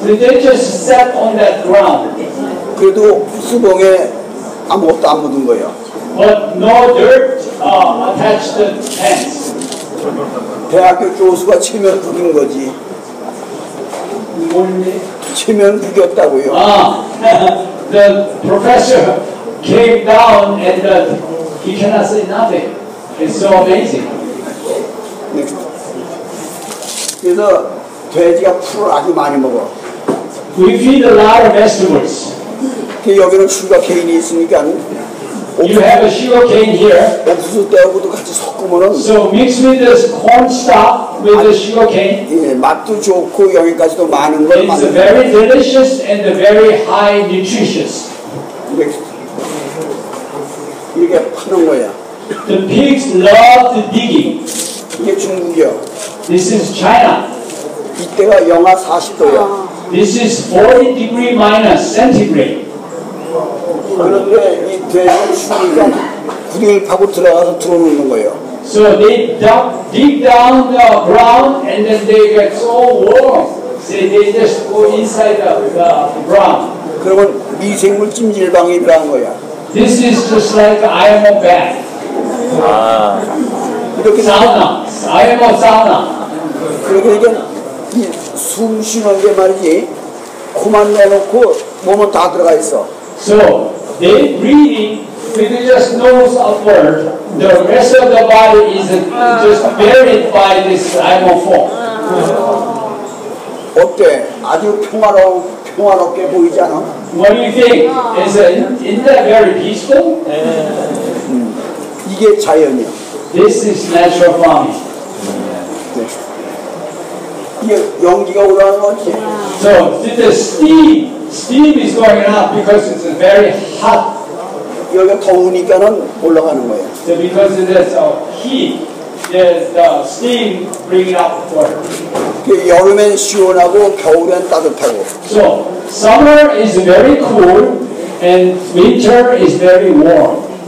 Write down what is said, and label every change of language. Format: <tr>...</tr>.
<en>They just sat on that ground.</en> <ko>그래도 수봉에 아무것도 안 묻은 거예요.</ko> <en>But no dirt attached to tents.</en> <ko>대학교 교수가 체면 구긴 거지. 뭔데? 체면 구겼다고요.</ko> <en>The professor came down and he cannot say nothing. It's so amazing.</en> <ko>그래서 돼지가 풀을 아주 많이 먹어.</ko> <en>We feed a lot of vegetables.</en> <ko>그 여기는 슈가케인이 있으니까.</ko> <en>You have a sugarcane here.</en> <ko>옥수수 떼하고도 같이 섞으면은.</ko> <en>So mix with this cornstalk with the sugarcane.</en> <ko>예, 맛도 좋고 여기까지도 많은 걸 만들어.</ko> <en>It's very delicious and very high nutritious.</en> <ko>이렇게 파는 거야.</ko> <en>The pigs love the digging.</en> <ko>이게 중국이야.</ko> <en>This is China.</en> <ko>이때가 영하 40도야.</ko> <en>This is 40 degree minus centigrade.</en> <ko>그런데 이 돼지 수리는 구덩이 파고 들어가서 들어오는 거예요.</ko> <en>So they dug deep down the ground and then they get so warm. See, they just go inside the ground.</en> <ko>그러면 미생물 찜질방에 들어간 거야.</ko> <en>This is just like IMO bag. 아.</en> <ko>이렇게</ko> <en>sauna. IMO sauna.</en> <ko>그리고 이건 이 숨 쉬는 게 말이지 코만 내놓고 몸은 다 들어가 있어.</ko> <en>So they breathing with just nose upward. The rest of the body is just buried by this animal form.</en> <ko>어때? 아주 평화롭게 보이잖아.</ko> <en>What do you think? Isn't that very peaceful?</en> <ko>이게 자연이야.</ko> <en>This is natural farming.</en> <ko>연기가 올라오는 거지.</ko> <en>So the steam is going up because it's very hot.</en> <ko>여기 더우니까는 올라가는 거예요.</ko> <en>So because there's a heat, the steam bringing up water.</en> <ko>여름엔 시원하고 겨울엔 따뜻하고.</ko> <en>So summer is very cool and winter is very warm.</en>